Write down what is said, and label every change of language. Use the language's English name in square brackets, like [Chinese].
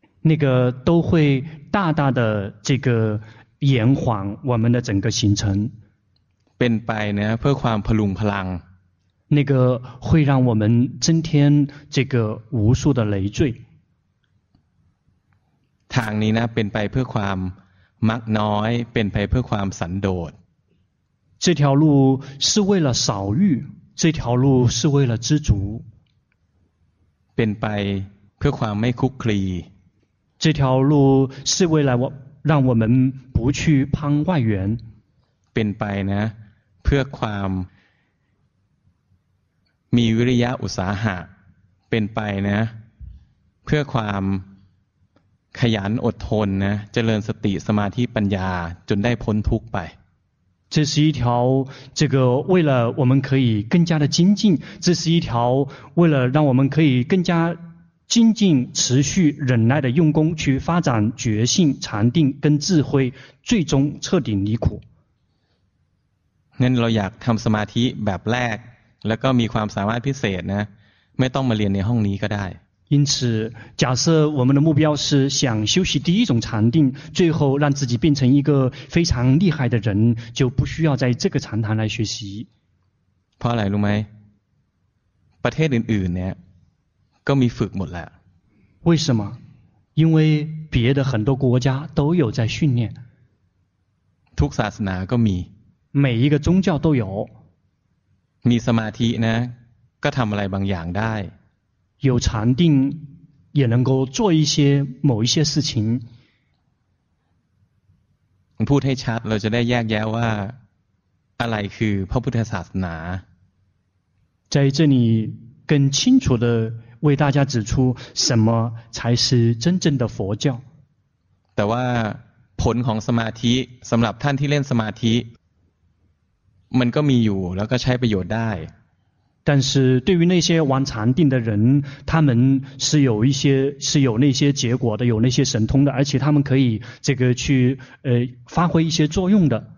[Chinese] 那个都会大大的这个延缓我们的整个行程 [Thai] เป็นไปนะเพื่อความพลุงพลัง [Chinese] 那个会让我们增添这个无数的累赘 [Thai] ทางนี้นะเป็นไปเพื่อความมักน้อยเป็นไปเพื่อความสันโดษ [Chinese] 这条路是为了少欲这条路是为了知足 [Thai] เป็นไปเพื่อความไม่คุกคลี [Chinese] 这条路是为了让我们不去攀外缘 [Thai] เป็นไปนะเพื่อความมีวิริยะอุตสาหะเป็นไปนะเพื่อความขยันอดทนนะเจริญสติสมาธิปัญญาจนได้พ้นทุกข์ไป [Chinese] 这是一条这个为了我们可以更加的精进这是一条为了让我们可以更加精进持续忍耐的用功去发展觉性禅定跟智慧最终彻底离苦 [Thai] งั้นเราอยากทำสมาธิแบบแรกแล้วก็มีความสามารถพิเศษนะไม่ต้องมาเรียนในห้องนี้ก็ได้ [Chinese] 因此假设我们的目标是想修习第一种禅定最后让自己变成一个非常厉害的人就不需要在这个禅堂来学习 [Thai] เพราะอะไรรู้ไหมประเทศอื่นๆเนี่ยก็มีฝึกหมดแล้ว [Chinese] 为什么因为别的很多国家都有在训练 [Thai] ทุกศาสนาก็มี [Chinese] 每一个宗教都有 [Thai] มีสมาธินะก็ทำอะไรบางอย่างได้ [Chinese] 有禅定也能够做一些某一些事情 [Thai] พูดให้ชัดเราจะได้แยกแยะว่าอะไรคือพระพุทธศาสนา [Chinese] 在这里更清楚的为大家指出什么才是真正的佛教 [Thai] แต่ว่าผลของสมาธิสำหรับท่านที่เล่นสมาธิมันก็มีอยู่แล้วก็ใช้ประโยชน์ได้ [Chinese] 但是对于那些玩禅定的人他们是有一些是有那些结果的有那些神通的而且他们可以这个去发挥一些作用的